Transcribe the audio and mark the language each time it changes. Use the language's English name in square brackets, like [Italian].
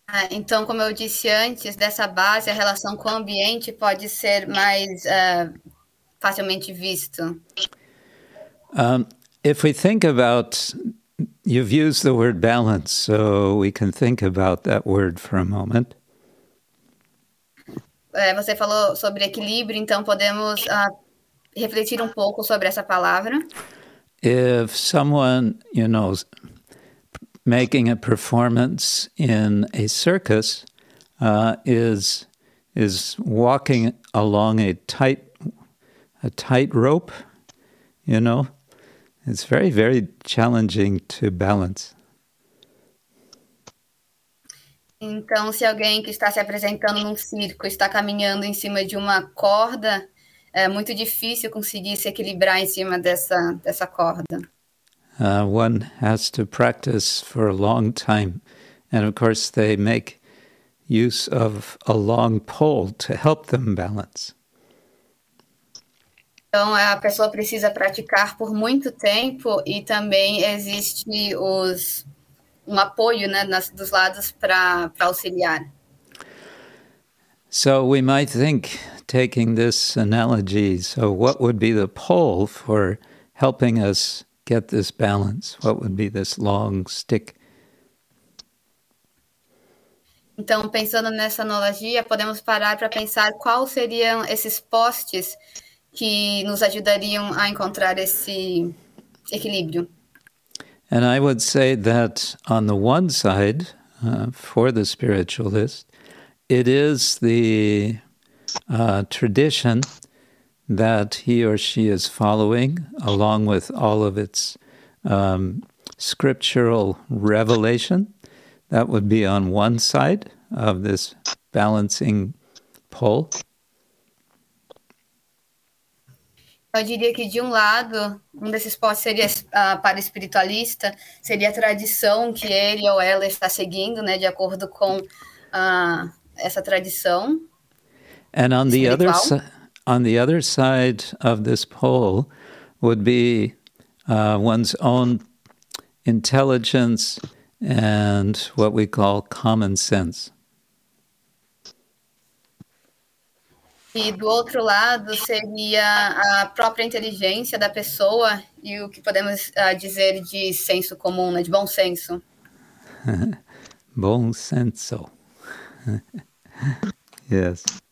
[Portuguese] Então, como eu disse antes, dessa base, a relação com o ambiente pode ser mais facilmente visto. [English] If we think about, you've used the word balance, so we can think about that word for a moment. [Portuguese] Você falou sobre equilíbrio, então podemos refletir um pouco sobre essa palavra. [English] If someone, you know, making a performance in a circus is walking along a tight rope, you know. It's very, very challenging to balance. [Portuguese] Então, se alguém que está se apresentando num circo está caminhando em cima de uma corda, é muito difícil conseguir se equilibrar em cima dessa corda. [English] One has to practice for a long time. And of course, they make use of a long pole to help them balance. [Portuguese] Então, a pessoa precisa praticar por muito tempo e também existe os um apoio, né, nas, dos lados para auxiliar. [English] So we might think, taking this analogy, so what would be the pole for helping us get this balance? What would be this long stick? [Portuguese] Então, pensando nessa analogia, podemos parar para pensar qual seriam esses postes que nos ajudariam a encontrar esse equilíbrio. [English] And I would say that on the one side, for the spiritualist, it is the tradition that he or she is following, along with all of its scriptural revelation. That would be on one side of this balancing pole. [Portuguese] Eu diria que de um lado, um desses postes seria para o espiritualista, seria a tradição que ele ou ela está seguindo, né, de acordo com essa tradição. [English] And on the other side of this pole would be one's own intelligence and what we call common sense. [Portuguese] E do outro lado seria a própria inteligência da pessoa e o que podemos dizer de senso comum, né, de bom senso. Bom senso. [English] Yes.